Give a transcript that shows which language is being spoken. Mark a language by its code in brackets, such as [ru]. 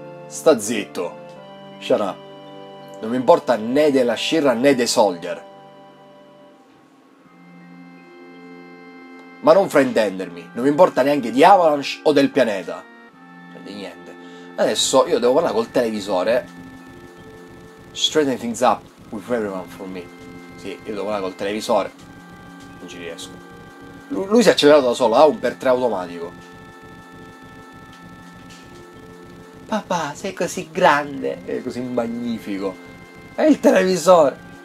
[it] Sta zitto. [en] Shut up. [it] Non mi importa né della Shirra né dei Soldier. Ma non fraintendermi. Non mi importa neanche di Avalanche o del pianeta. E di niente. Adesso io devo parlare col televisore. [en] Straighten things up with everyone for me. [it] Sì, io devo parlare col televisore. Non ci riesco. Lui si è accelerato da solo, ha un per tre automatico. Papà, sei così grande. È così magnifico. È il televisore.